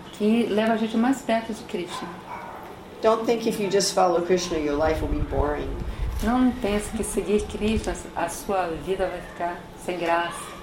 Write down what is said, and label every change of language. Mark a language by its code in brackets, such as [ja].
[pt] Que leva a gente mais perto de Krishna. [en] Don't think if you just follow Krishna, your life will be boring. [pt] Não pense que seguir Krishna, a sua vida vai ficar sem graça.